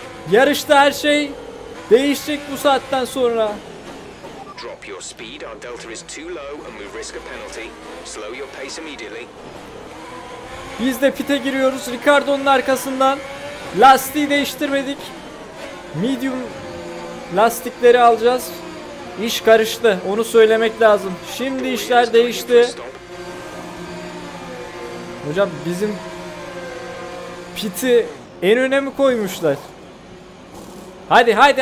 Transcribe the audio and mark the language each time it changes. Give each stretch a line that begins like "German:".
Turkish: Yarışta her şey değişecek bu saatten sonra.
English: Drop your speed, our delta is too low and we risk a penalty. Slow your pace immediately.
Turkish: Biz de pit'e giriyoruz Ricardo'nun arkasından. Lastiği değiştirmedik. Medium lastikleri alacağız. İş karıştı, onu söylemek lazım. Şimdi işler değişti. Hocam bizim pit'i en öne mi koymuşlar? Hadi.